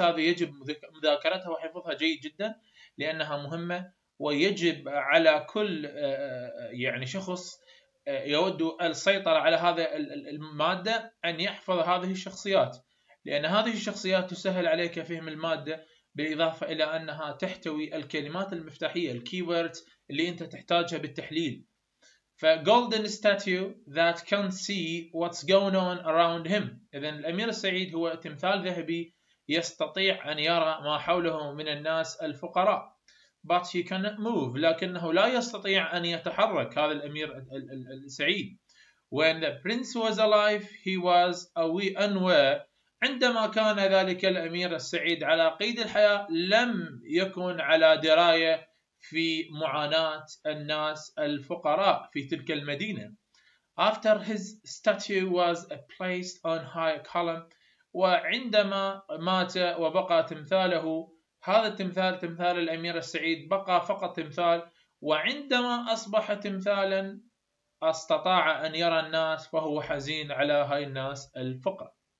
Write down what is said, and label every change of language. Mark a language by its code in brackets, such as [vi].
[ar] هذه يجب مذاكرتها وحفظها جيد جدا، لأنها مهمة، ويجب على كل يعني شخص يود السيطرة على هذه المادة أن يحفظ هذه الشخصيات، لأن هذه الشخصيات تسهل عليك فهم المادة، بالإضافة إلى أنها تحتوي الكلمات المفتاحية الكيوردز اللي أنت تحتاجها بالتحليل. [en] ف golden statue that can't see what's going on around him. [ar] إذا الأمير السعيد هو تمثال ذهبي يستطيع أن يرى ما حوله من الناس الفقراء، [en] but he cannot move، [ar] لكنه لا يستطيع أن يتحرك هذا الأمير السعيد. [en] When the prince was alive, he was unaware. [ar] عندما كان ذلك الأمير السعيد على قيد الحياة، لم يكن على دراية في معاناة الناس الفقراء في تلك المدينة. [en] After his statue was placed on high column. [ar] وعندما مات وبقى تمثاله، هذا التمثال تمثال الأمير السعيد بقى فقط تمثال، وعندما أصبح تمثالا استطاع أن يرى الناس، فهو حزين على هاي الناس الفقراء.